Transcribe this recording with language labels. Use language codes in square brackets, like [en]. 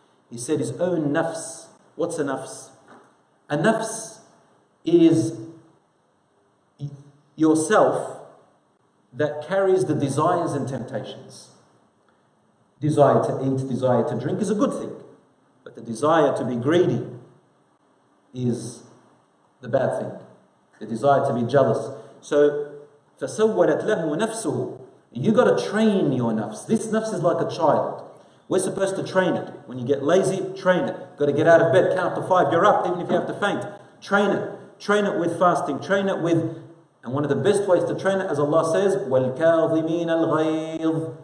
[en] He said his own nafs. What's a nafs? A nafs is yourself that carries the desires and temptations. Desire to eat, desire to drink is a good thing. But the desire to be greedy is the bad thing. The desire to be jealous. [ar] So, فَسَوَّلَتْ لَهُ نَفْسُهُ. [en] You got to train your nafs. This nafs is like a child. We're supposed to train it. When you get lazy, train it. Got to get out of bed, count up to five. You're up, even if you have to faint. Train it. Train it with fasting. Train it with... And one of the best ways to train it, as Allah says, وَالْكَاظِمِينَ الْغَيْظِ.